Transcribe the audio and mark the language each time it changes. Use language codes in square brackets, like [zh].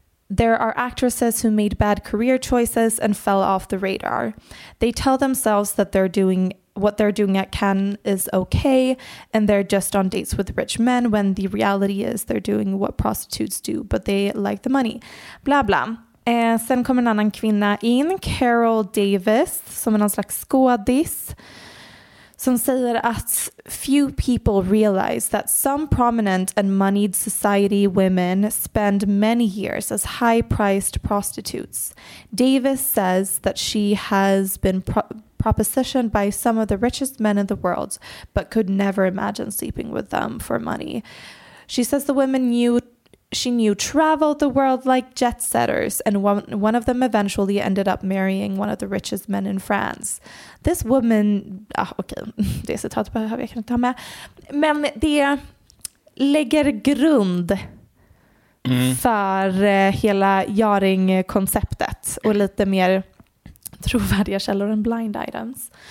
[en] There are actresses who made bad career choices and fell off the radar. They tell themselves that they're doing what they're doing at Cannes is okay and they're just on dates with rich men when the reality is they're doing what prostitutes do, but they like the money. Blah, blah. [sv] Sen kommer en annan kvinna in, Carol Davis, som är någon slags skådis. Som säger att [en] few people realize that some prominent and moneyed society women spend many years as high-priced prostitutes. Davis says that she has been propositioned by some of the richest men in the world, but could never imagine sleeping with them for money. She says the women she knew traveled the world like jet setters, and one of them eventually ended up marrying one of the richest men in France. This woman... [sv] Ah, okej, det citatet behöver jag kunna ta med. Men det lägger grund för hela Yachting-konceptet och lite mer trovärdiga källor än blind items.